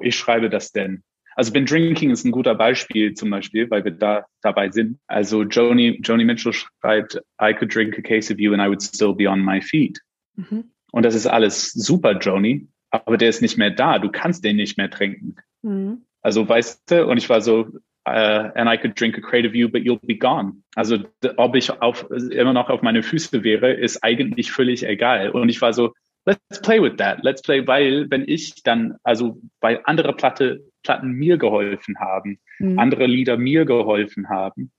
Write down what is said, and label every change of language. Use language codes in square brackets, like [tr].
[de] Ich schreibe das denn. Also Been Drinking ist ein guter Beispiel zum Beispiel, weil wir da dabei sind. Also Joni Mitchell schreibt, [en] I could drink a case of you and I would still be on my feet. Mhm. [de] Und das ist alles super, Joni, aber der ist nicht mehr da. Du kannst den nicht mehr trinken. Mhm. Also weißt du, und ich war so, [en] and I could drink a crate of you, but you'll be gone. [de] Also ob ich immer noch auf meine Füße wäre, ist eigentlich völlig egal. Und ich war so, [en] let's play with that. Let's play, [de] weil wenn ich dann, also weil andere Platten mir geholfen haben, mhm, andere Lieder mir geholfen haben.